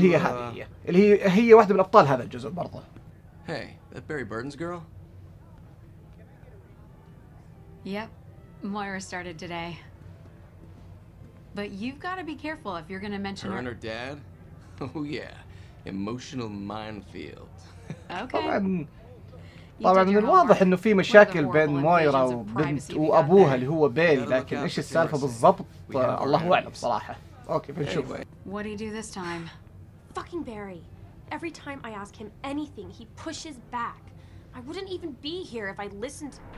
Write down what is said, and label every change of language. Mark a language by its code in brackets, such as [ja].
[ar] هي هذه هي واحدة من أبطال هذا الجزء برضو. [en] That Barry Burton's girl? Yep, Moira started today. But you've got to be careful if you're going to mention her and her dad? Oh yeah, emotional minefield. Okay. [ar] طبعاً من الواضح إنه في مشاكل بين مويرا وبنت وأبوها اللي هو بيلي، لكن إيش السالفة بالضبط؟ الله أعلم بصراحة. أوكي بنشوف. [en] What do you do this time? Fucking Barry. Every time I ask him anything, he pushes back. I wouldn't even be here if I listened.